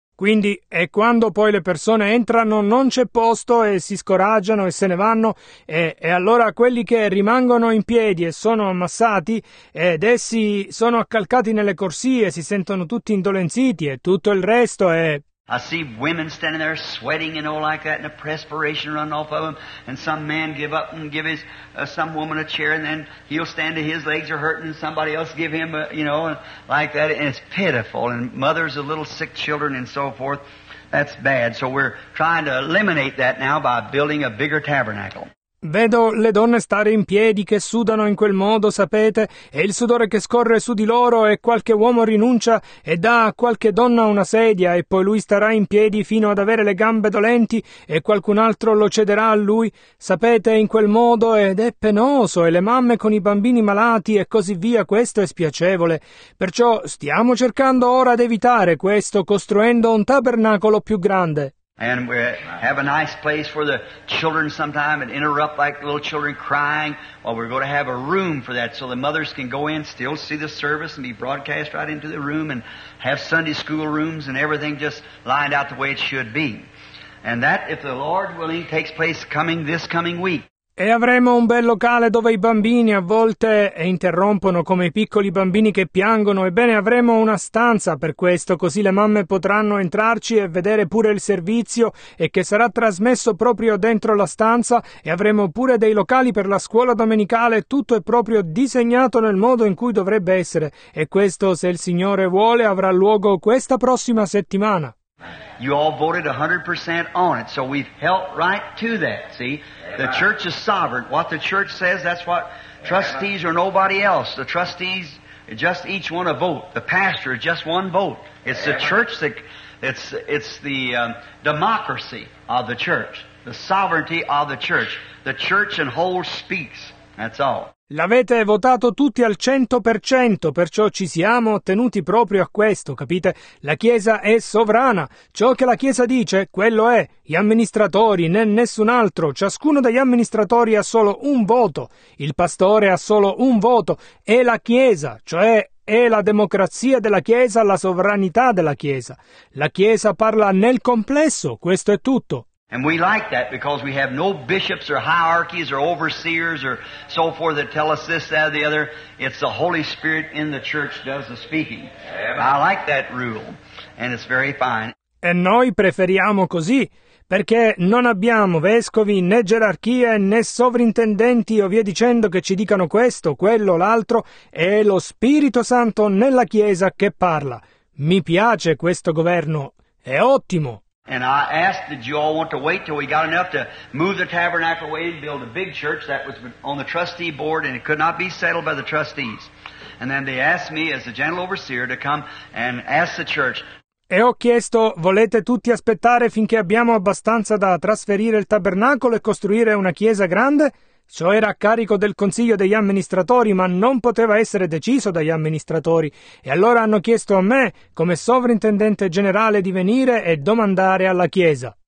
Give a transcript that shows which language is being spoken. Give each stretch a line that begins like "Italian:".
Italian: Quindi, e quando poi le persone entrano, non c'è posto, e si scoraggiano e se ne vanno, e allora quelli che rimangono in piedi e sono ammassati, ed essi sono accalcati nelle corsie, si sentono tutti indolenziti, e tutto il resto è...
English: I see women standing there sweating, you know, like that, and the perspiration running off of them, and some man give up and give his some woman a chair, and then he'll stand to his legs are hurting, and somebody else give him, you know, like that, and it's pitiful, and mothers of little sick children and so forth, that's bad, so we're trying to eliminate that now by building a bigger tabernacle.
Italian: Vedo le donne stare in piedi che sudano in quel modo, sapete, e il sudore che scorre su di loro e qualche uomo rinuncia e dà a qualche donna una sedia e poi lui starà in piedi fino ad avere le gambe dolenti e qualcun altro lo cederà a lui, sapete, in quel modo ed è penoso e le mamme con i bambini malati e così via, questo è spiacevole. Perciò stiamo cercando ora di evitare questo costruendo un tabernacolo più grande.
English: And we have a nice place for the children sometime and interrupt like little children crying. Well, we're going to have a room for that so the mothers can go in, still see the service and be broadcast right into the room and have Sunday school rooms and everything just lined out the way it should be. And that, if the Lord willing, takes place coming this coming week.
Italian: E avremo un bel locale dove i bambini a volte interrompono come i piccoli bambini che piangono. Ebbene, avremo una stanza per questo, così le mamme potranno entrarci e vedere pure il servizio e che sarà trasmesso proprio dentro la stanza. E avremo pure dei locali per la scuola domenicale. Tutto è proprio disegnato nel modo in cui dovrebbe essere. E questo, se il Signore vuole, avrà luogo questa prossima settimana.
English: You all voted 100% on it, so we've helped right to that, see? The church is sovereign. What the church says, that's what trustees or nobody else. The trustees, just each one a vote. The pastor, just one vote. It's the church that, it's the democracy of the church, the sovereignty of the church. The church in whole speaks, that's all.
Italian: L'avete votato tutti al 100%, perciò ci siamo tenuti proprio a questo, capite? La Chiesa è sovrana. Ciò che la Chiesa dice, quello è. Gli amministratori, né nessun altro. Ciascuno degli amministratori ha solo un voto. Il pastore ha solo un voto. È la Chiesa, cioè è la democrazia della Chiesa, la sovranità della Chiesa. La Chiesa parla nel complesso, questo è tutto.
English: And we like that because we have no bishops or hierarchies or overseers or so forth that tell us this, that, or the other. It's the Holy Spirit in the church does the speaking. Amen. I like that rule, and it's very fine.
Italian: E noi preferiamo così, perché non abbiamo vescovi, né gerarchie, né sovrintendenti o via dicendo che ci dicano questo, quello, l'altro, è lo Spirito Santo nella Chiesa che parla. Mi piace questo governo, è ottimo!
English: And I asked, did you all want to wait till we got enough to move the tabernacle away and build a big church that was on the trustee board and it could not be settled by the trustees. And then they asked me as the general overseer to come and ask the church.
Italian: E ho chiesto, volete tutti aspettare finché abbiamo abbastanza da trasferire il tabernacolo e costruire una chiesa grande? Ciò era a carico del consiglio degli amministratori, ma non poteva essere deciso dagli amministratori. E allora hanno chiesto a me, come sovrintendente generale, di venire e domandare alla Chiesa.